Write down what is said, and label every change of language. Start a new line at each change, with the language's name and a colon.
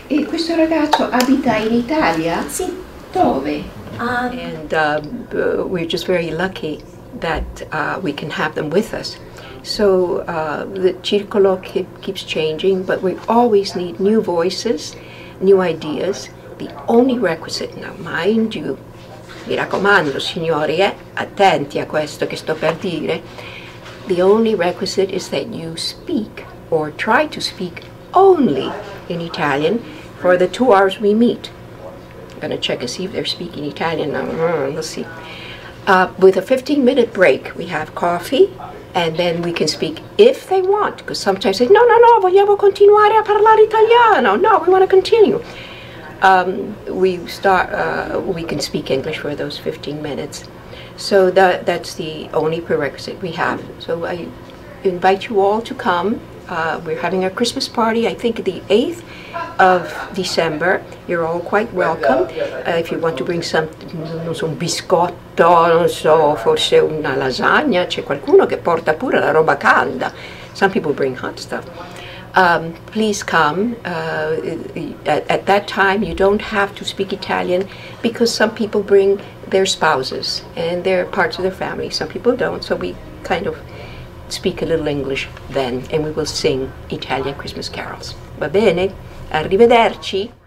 Italian: E questo ragazzo abita in Italia? Sì. Dove?
English: And we're just very lucky that we can have them with us. So the circolo keeps changing, but we always need new voices, new ideas. The only requisite, now mind you,
Italian: mi raccomando, signori, attenti a questo che sto per dire.
English: The only requisite is that you speak or try to speak only in Italian for the 2 hours we meet. I'm gonna check and see if they're speaking Italian now. Let's see. With a 15-minute break, we have coffee, and then we can speak if they want. Because sometimes they say,
Italian: "No, vogliamo continuare a parlare italiano."
English: No, we want to continue. We can speak English for those 15 minutes. So that's the only prerequisite we have. So I invite you all to come. We're having a Christmas party, I think, the 8th of December. You're all quite welcome. If you want to bring some,
Italian: non so, un biscotto, non so, forse una lasagna, c'è qualcuno che porta pure la roba calda.
English: Some people bring hot stuff. Please come. At that time, you don't have to speak Italian because some people bring their spouses and their parts of their family. Some people don't, so we kind of speak a little English then, and we will sing Italian Christmas carols.
Italian: Va bene? Arrivederci!